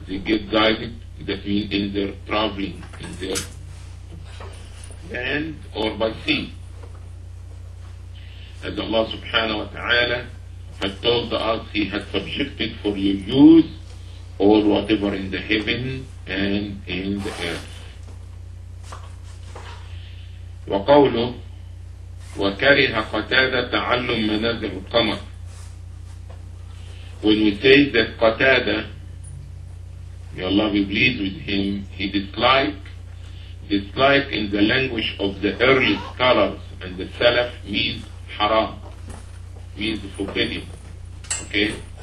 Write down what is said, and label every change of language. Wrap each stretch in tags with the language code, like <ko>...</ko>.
<en>They get guided, that means in their traveling, in their land or by sea. As Allah subhanahu wa ta'ala had told us, he had subjected for your use all whatever in the heaven and in the earth.</en> <ar>وقوله وكره قتادة تعلم منازل القمر.</ar> <en>When we say that Qatada, may Allah be pleased with him, he dislike in the language of the early scholars and the Salaf means haram, means forbidding. Okay?</en>